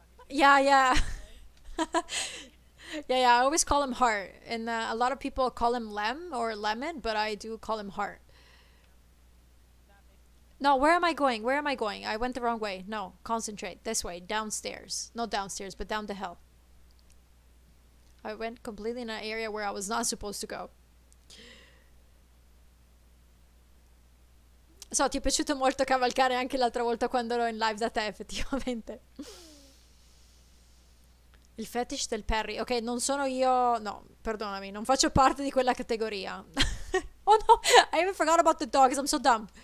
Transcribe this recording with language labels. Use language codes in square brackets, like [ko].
[en] Yeah, I always call him Heart, and a lot of people call him Lem or Lemon, but I do call him Heart. No, where am I going? Where am I going? I went the wrong way. No, concentrate. This way, downstairs. Not downstairs, but down the hill. I went completely in an area where I was not supposed to go. [it] So, ti è piaciuto molto cavalcare anche l'altra volta quando ero in live da te, effettivamente. Il fetish del Perry. Ok, non sono io... No, perdonami, non faccio parte di quella categoria. [en] Oh no, I even forgot about the dogs. I'm so dumb.